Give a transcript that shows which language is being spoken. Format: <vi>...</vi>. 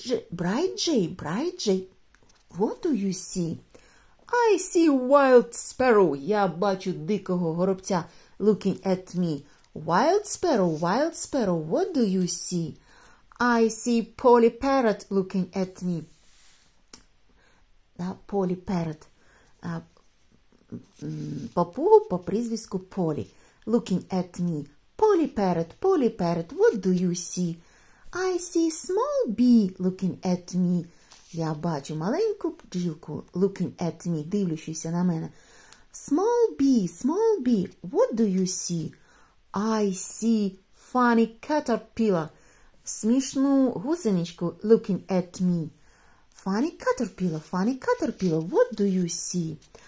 <en>Bright jay, what do you see? I see wild sparrow.</en> <uk>Я бачу дикого горобця</uk> <en>looking at me. Wild sparrow, what do you see? I see Polly Parrot looking at me. Да, Polly Parrot.</en> <uk>Попугу по прізвиську Polly.</uk> <en>Looking at me. Polly Parrot, what do you see? I see small bee looking at me.</en> <uk>Я бачу маленьку бджілку</uk> <en>looking at me,</en> <uk>дивлячись на мене.</uk> <en>Small bee, what do you see? I see funny caterpillar.</en> <uk>Смішну гусеничку</uk> <en>looking at me. Funny caterpillar, what do you see?</en>